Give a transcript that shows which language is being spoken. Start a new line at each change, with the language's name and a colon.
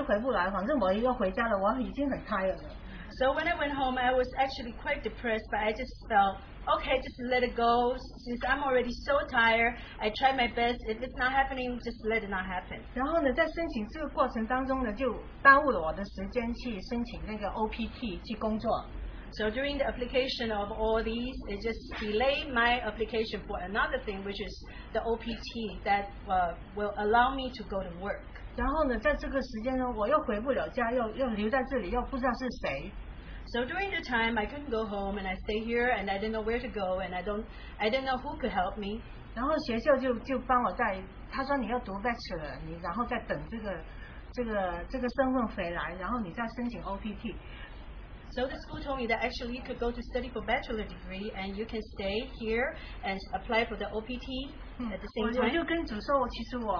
Chinese: 我回家的时候，我一方面沮丧，一方面又很高兴，觉得算了吧，不回不来就回不来，反正我又回家了，我已经很 tired 了。
English: So when I went home, I was actually quite depressed, but I just felt okay, just let it go. Since I'm already so tired, I try my best. If it's not happening, just let it not happen.
Chinese: 然后呢, 在申请这个过程当中呢, 就耽误了我的时间去申请那个OPT, 去工作。
English: So during the application of all these, it just delayed my application for another thing, which is the OPT that will allow me to go to work.
Chinese: 然后呢, 在这个时间呢, 我又回不了家, 又留在这里, 又不知道是谁。
English: So during the time, I couldn't go home, and I stayed here, and I didn't know where to go, and I didn't know who could help me.
Chinese: 然后学校就帮我带, 他说你要读Bachelor, 然后再等这个身份回来, 然后你再申请OPT。
English: So the school told me that actually you could go to study for bachelor degree and you can stay here and apply for the OPT at the same time.